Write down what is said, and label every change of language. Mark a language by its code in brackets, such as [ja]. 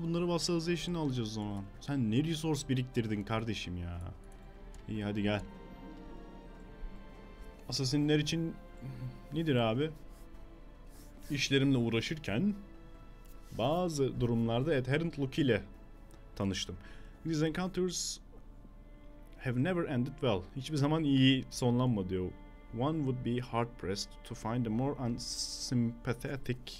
[tr] Bunları vassalization'a alacağız o zaman. Sen ne resource biriktirdin kardeşim ya? İyi, hadi gel. Assassin'ler için nedir abi? İşlerimle uğraşırken bazı durumlarda Adherent Luke ile tanıştım. [en] These encounters have never ended well. [tr] Hiçbir zaman iyi sonlanmadı diyor. [en] One would be hard pressed to find a more sympathetic.